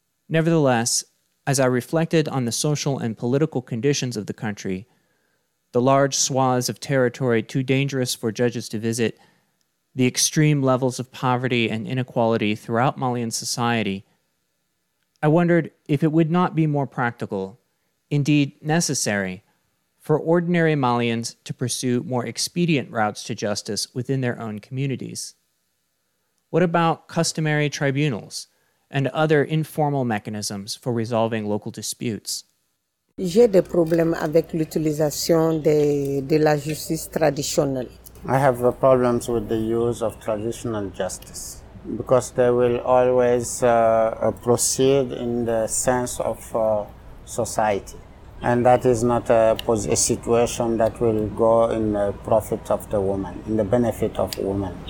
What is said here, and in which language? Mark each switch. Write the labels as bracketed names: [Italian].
[English] Nevertheless, as I reflected on the social and political conditions of the country, the large swaths of territory too dangerous for judges to visit, the extreme levels of poverty and inequality throughout Malian society, I wondered if it would not be more practical, indeed necessary, for ordinary Malians to pursue more expedient routes to justice within their own communities. What about customary tribunals and other informal mechanisms for resolving local disputes? [French] J'ai des problèmes avec l'utilisation de la justice traditionnelle. [English] I have problems with the use of traditional justice, because they will always proceed in the sense of society. And that is not a situation that will go in the profit of the woman, in the benefit of women.